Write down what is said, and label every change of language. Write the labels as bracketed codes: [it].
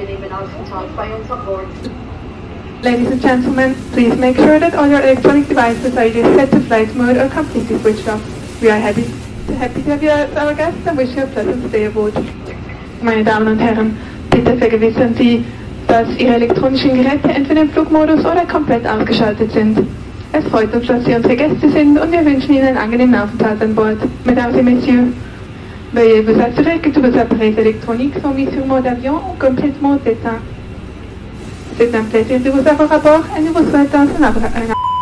[en] Ladies and gentlemen, please make sure that all your electronic devices are either set to flight mode or completely switched off. We are happy to have you as our guests and wish you a pleasant stay aboard. [de] Meine Damen und Herren, bitte vergewissern Sie, dass Ihre elektronischen Geräte entweder im Flugmodus oder komplett ausgeschaltet sind. Es freut uns, dass Sie unsere Gäste sind und wir wünschen Ihnen einen angenehmen Aufenthalt an Bord. [fr] Mesdames et Messieurs, veuillez vous assurer que tous vos appareils électroniques sont mis sur mode avion ou complètement éteints. C'est un plaisir de vous avoir à bord et nous vous souhaitons un abracadabra.